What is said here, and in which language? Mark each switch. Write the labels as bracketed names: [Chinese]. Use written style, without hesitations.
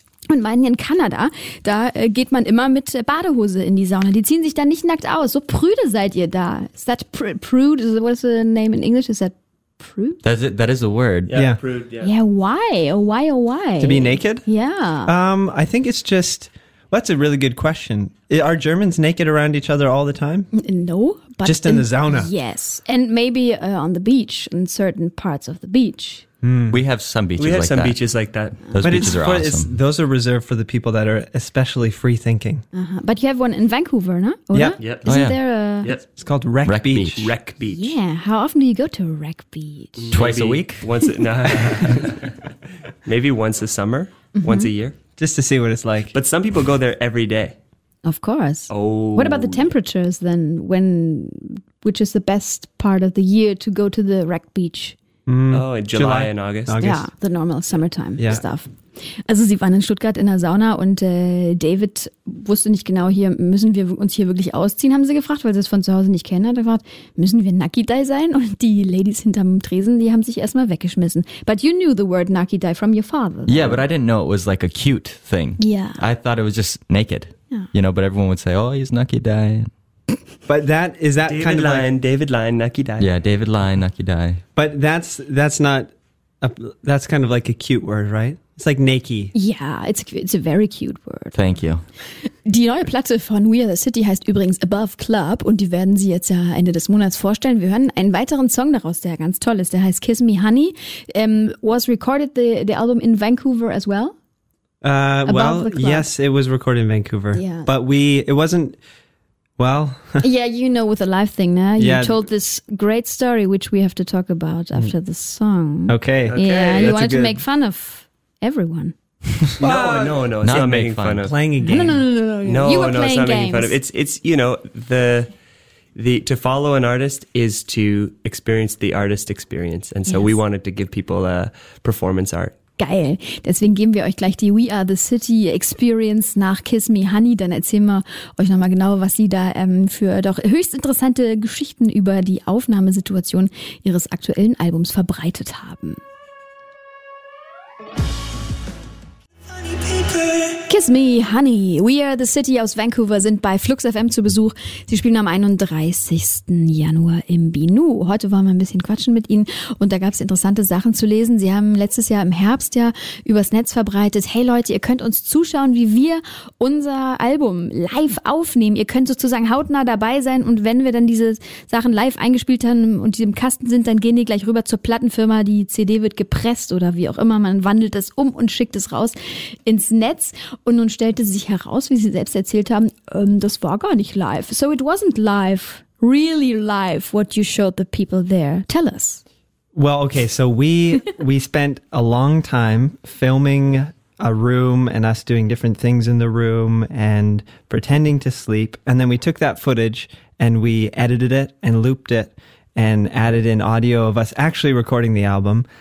[German] Und meinen in Kanada, da geht man immer mit Badehose in die Sauna. Die ziehen sich da nicht nackt aus. So prüde seid ihr da. [English] Is that prude? What is the name in English? Is that prude? That is a word. Yeah. Prude, yeah. Yeah. Why? Oh, why? Oh, why? To be naked? Yeah. I think it's just. Well, that's a really good question. Are Germans naked around each other all the time? No, but just in the sauna. Yes, and maybe on the beach in certain parts of the beach. We have some beaches. We have like some that. Beaches like that. Those but beaches it's are for, awesome. It's, those are reserved for the people that are especially free thinking. Uh-huh. But you have one in Vancouver, no? Yeah. Yep. Isn't oh, yeah. there a? Yep. It's called Wreck Beach. Wreck Beach. Yeah. How often do you go to Wreck Beach? Twice maybe a week. Once. No. Maybe once a summer. Mm-hmm. Once a year. Just to see what it's like. But some people go there every day. Of course. Oh. What about the temperatures then? When, which is the best part of the year to go to the Wreck Beach? July and August. Ja, the normal summertime stuff. [German] Also sie waren in Stuttgart in der Sauna und David wusste nicht genau, hier müssen wir uns hier wirklich ausziehen, haben sie gefragt, weil sie es von zu Hause nicht kennen. Hat er gefragt, müssen wir nuckidai sein? Und die Ladies hinterm Tresen, die haben sich erstmal weggeschmissen. [English] But you knew the word nuckidai from your father. Yeah, but I didn't know it was like a cute thing. Yeah. I thought it was just naked. Yeah. You know, but everyone would say, oh, he's nuckidai. But that is that David kind of Lyon, like, David Lyon, nuckidai. Yeah, David Lyon, nuckidai. But that's kind of like a cute word, right? It's like nakey. Yeah, it's a very cute word. Thank you. [German] Die neue Platte von We Are The City heißt übrigens Above Club und die werden sie jetzt ja Ende des Monats vorstellen. Wir hören einen weiteren Song daraus, der ganz toll ist. Der heißt Kiss Me Honey. [English] Was recorded the album in Vancouver as well? Well, yes, it was recorded in Vancouver. Yeah. But it wasn't... Well, yeah, you know, with the live thing, now you told this great story, which we have to talk about after the song. Okay. Yeah, you wanted to make fun of everyone. No. It's not making fun of playing a game. No. You were playing games. It's you know, the to follow an artist is to experience the artist experience, and so we wanted to give people a performance art. [German] Geil. Deswegen geben wir euch gleich die We Are The City Experience nach Kiss Me Honey. Dann erzählen wir euch nochmal genau, was sie da für doch höchst interessante Geschichten über die Aufnahmesituation ihres aktuellen Albums verbreitet haben. Kiss Me, Honey. We Are the City aus Vancouver sind bei Flux FM zu Besuch. Sie spielen am 31. Januar im Binu. Heute wollen wir ein bisschen quatschen mit Ihnen und da gab es interessante Sachen zu lesen. Sie haben letztes Jahr im Herbst ja übers Netz verbreitet, hey Leute, ihr könnt uns zuschauen, wie wir unser Album live aufnehmen. Ihr könnt sozusagen hautnah dabei sein und wenn wir dann diese Sachen live eingespielt haben und die im Kasten sind, dann gehen die gleich rüber zur Plattenfirma. Die CD wird gepresst oder wie auch immer. Man wandelt es um und schickt es raus ins Netz. Und nun stellte sich heraus, wie sie selbst erzählt haben, das war gar nicht live. [English] So it wasn't live, really live, what you showed the people there. Tell us. Well, okay, so we spent a long time filming a room and us doing different things in the room and pretending to sleep. And then we took that footage and we edited it and looped it and added in audio of us actually recording the album.